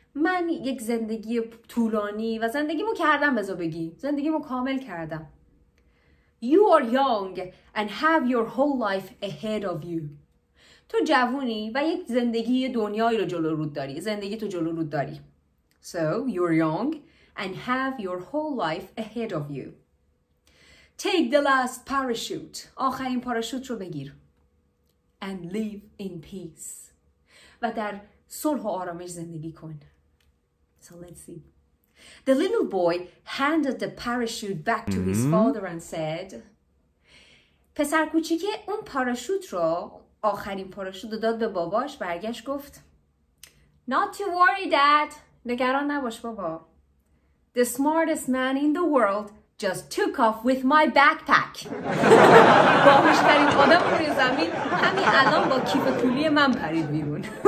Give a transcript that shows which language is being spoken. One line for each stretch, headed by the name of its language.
Persian: من یک زندگی طولانی و زندگیمو کردم بذار بگی. زندگیمو کامل کردم.
English: You are young and have your whole life ahead of you.
Persian: تو جوونی و یک زندگی دنیایی رو جلو رود داری. زندگی تو جلو رود داری.
English: So, you're young and have your whole life ahead of you. Take the last parachute.
Persian: آخرین پاراشوت رو بگیر.
English: And live in peace.
Persian: و در صلح و آرامش زندگی کن.
English: So let's see. The little boy handed the parachute back to his father and said,
Persian: پسر کوچیکه اون پاراشوت رو آخرین پاراشوت رو داد به باباش برگشت گفت
English: Not to worry, dad.
Persian: نگران نباش بابا.
English: The smartest man in the world just took off with my backpack.
Persian: باهوش‌ترین آدم روی زمین همین الان با کیف پولی من پرید بیرون.